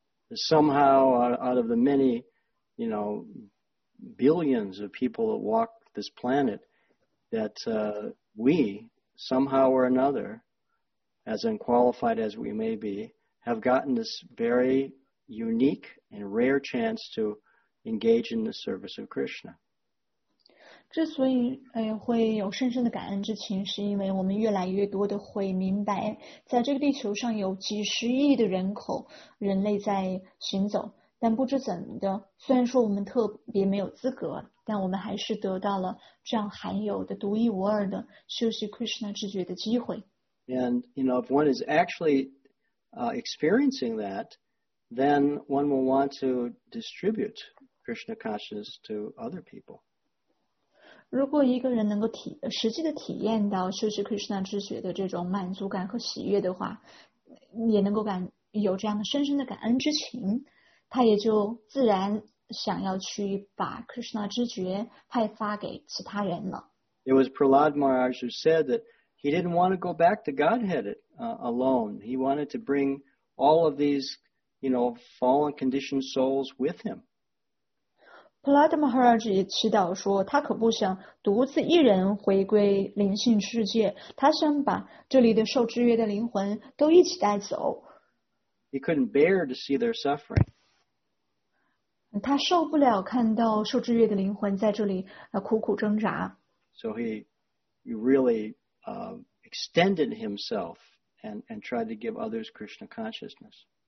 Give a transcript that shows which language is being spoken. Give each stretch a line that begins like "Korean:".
English: Somehow, out of the many, you know, billions of people that walk this planet, that we, somehow or another, as unqualified as we may be, have gotten this very unique and rare chance to engage in the service of Krishna.
Chinese: 之所以会有深深的感恩之情，是因为我们越来越多的会明白，在这个地球上有几十亿的人口，人类在行走，但不知怎么的，虽然说我们特别没有资格，但我们还是得到了这样罕有的、独一无二的修习 Krishna 智觉的机会。
English: And you know, if one is actually experiencing that, then one will want to distribute Krishna consciousness to other people.
Chinese: 如果一个人能够实际的体验到修习 Krishna 智觉的这种满足感和喜悦的话，也能够有这样的深深的感恩之情，他也就自然想要去把 Krishna 智觉派发给其他人了。
English: It was Prahlad Maharaj who said that he didn't want to go back to Godhead alone. He wanted to bring all of these, you know, fallen conditioned souls with him.
Chinese: 普拉德马哈拉吉祈祷说，他可不想独自一人回归灵性世界，他想把这里的受制约的灵魂都一起带走。
English: He couldn't bear to see their suffering.
Chinese: 他受不了看到受制约的灵魂在这里苦苦挣扎。
English: So he really extended himself and tried to give others Krishna consciousness.